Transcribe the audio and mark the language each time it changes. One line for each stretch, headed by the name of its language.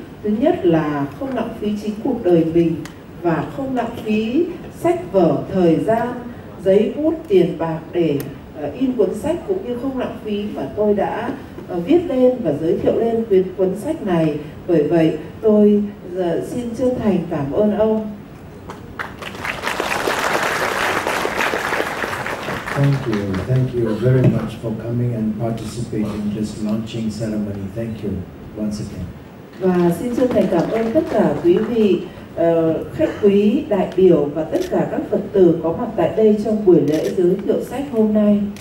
Vietnamese: Thứ nhất là không lãng phí chính cuộc đời mình, và không lãng phí sách vở, thời gian, giấy bút, tiền bạc để in cuốn sách, cũng như không lãng phí mà tôi đã viết lên và giới thiệu lên cuốn sách này. Bởi vậy, tôi xin chân thành cảm ơn ông.
English: Thank you very much for coming and participating in this launching ceremony. Thank you once again.
Vietnamese: Và xin chân thành cảm ơn tất cả quý vị, khách quý, đại biểu và tất cả các Phật tử có mặt tại đây trong buổi lễ giới thiệu sách hôm nay.